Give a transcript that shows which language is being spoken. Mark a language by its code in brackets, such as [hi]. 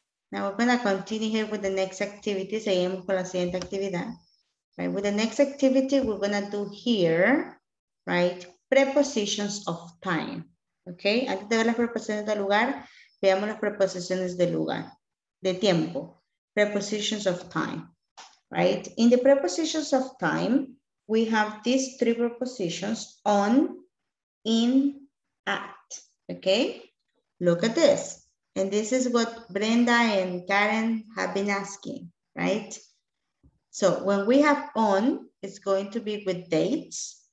[en] Now we're going to continue here with the next activity. [es] Seguimos con la siguiente actividad. [en] Right. With the next activity, we're going to do here, right? Prepositions of time. Okay. [es] Antes de ver las preposiciones del lugar, veamos las preposiciones de lugar, de tiempo, [en] prepositions of time, [es] right? [en] In the prepositions of time, we have these three prepositions, on, in, at, okay? Look at this. And this is what Brenda and Karen have been asking, right? So when we have on, it's going to be with dates.